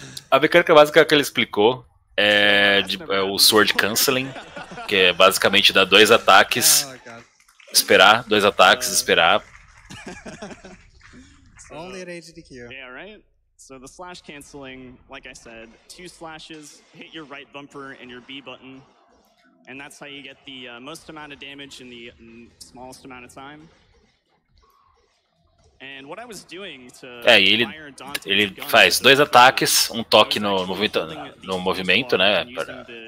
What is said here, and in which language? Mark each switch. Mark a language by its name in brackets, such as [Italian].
[Portuguese] A mecânica básica que ele explicou é, é o Sword Canceling, que é basicamente dar dois ataques, esperar, dois ataques, esperar. [English] Only at AGDQ. Yeah, right? So the slash canceling, like I said, two slashes, hit your right bumper and your B button, and that's how you get the most amount of damage in the smallest amount of time. And what I was doing to [Portuguese] ele faz dois ataques, um toque no movimento, né, para...